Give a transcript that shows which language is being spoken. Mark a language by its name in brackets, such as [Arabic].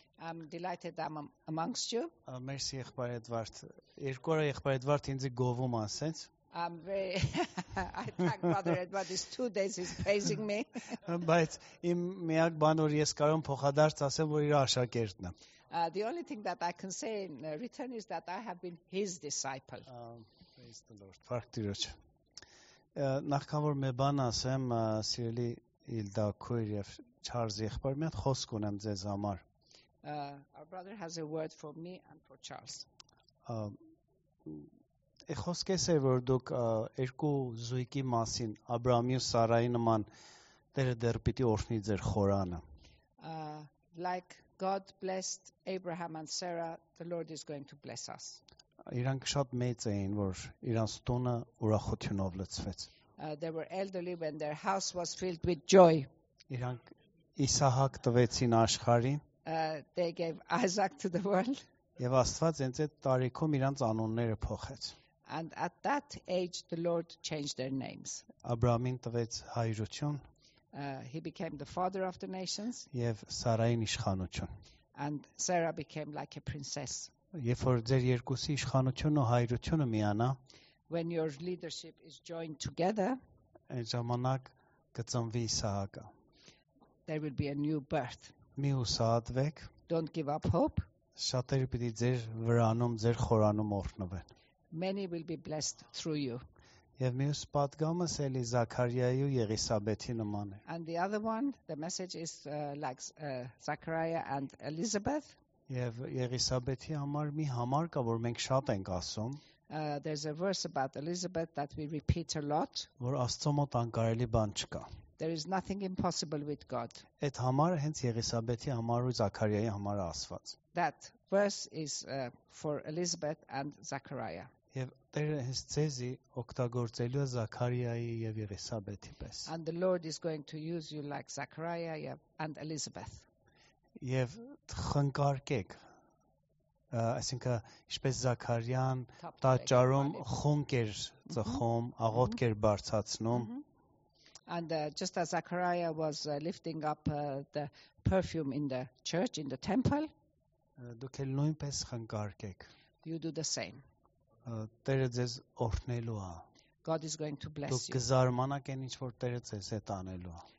[English] I'm delighted I'm amongst you. [Armenian] Մերսի, եղբայր Էդվարդ. Երկու օրա եղբայր Էդվարդ ինձ գովում ասեց. [English] I'm very I thank Brother Edward is 2 days he's praising me. [Armenian] But իմ միակ բան որ ես կարող եմ փոխադարձ ասել որ իր աշակերտն եմ. [English] The only thing that I can say in return is that I have been his disciple. Praise the Lord. [Armenian] Փառք Տիրոջ. Նախքան որ մեր բան ասեմ, սիրելի Իլդա քույր եւ Չարլզ եղբայր, մի հատ խոսք ունեմ ձեզ համար. [English] Our brother has a word for me and for Charles. [Armenian] Ես խոսք ես է, որ դուք երկու զույգի մասին, Աբրահամի ու Սարայի նման, Տերը դեռ պիտի օրհնի ձեր խորանը. [English] Like God blessed Abraham and Sarah, the Lord is going to bless us. [Armenian] Իրանք շատ մեծ էին, որ իրանց տունը ուրախությունով լցվեց. [English] They were elderly when their house was filled with joy. [Armenian] Իրանք Իսահակ տվեցին աշխարհին. [English] They gave Isaac to the world. [Armenian] Եվ Աստված հենց այդ տարիքում իրանց անունները փոխեց. [English] And at that age the Lord changed their names. [Armenian] Աբրահամին տվեց հայրություն. [English] He became the father of the nations. [Armenian] Եվ Սարային իշխանություն. [English] And Sarah became like a princess. [Armenian] Երբ որ ձեր երկուսի իշխանությունն ու հայրությունը միանա, [English] when your leadership is joined together, [Armenian] այն ժամանակ կծնվի Իսահակը. [English] There will be a new birth. [Armenian] Մի ուսադրեք. [English] Don't give up hope. [Armenian] Շատերը պիտի ձեր վրանում, ձեր խորանում օրհնվեն. [English] Many will be blessed through you. [Armenian] Եվ մյուս պատգամը Սելի Զաքարիայի ու Եղիսաբեթի նման է. [English] And the other one, the message is like Zachariah and Elizabeth. [Armenian] Եվ Եղիսաբեթի համար մի համար կա, որ մենք շատ ենք ասում. [English] There's a verse about Elizabeth that we repeat a lot. [Armenian] Որ Աստծո մոտ անկարելի բան չկա. [English] There is nothing impossible with God. [Armenian] Այդ համարը հենց Եղիսաբեթի համար ու Զաքարիայի համար ասված. [English] That verse is for Elizabeth and Zachariah. [Armenian] Եվ Տերը հենց ցեզի օգտագործելու է Զաքարիայի եւ Եղիսաբեթի պես. [English] And the Lord is going to use you like Zachariah and Elizabeth. [Armenian] Եվ խնկարկեք, այսինքն ինչպես Զաքարիան տաճարում խոնկ էր ծխում, աղոտք էր բարձացնում. [English] And just as Zachariah was lifting up the perfume in the church, in the temple, [Armenian] դուք էլ նույնպես խնկարկեք. [English] You do the same. [Armenian] Տերը ձեզ օրհնելու է. [English] God is going to bless you. [Armenian] Դուք կզարմանաք այն ինչ որ Տերը ձեզ հետ անելու է.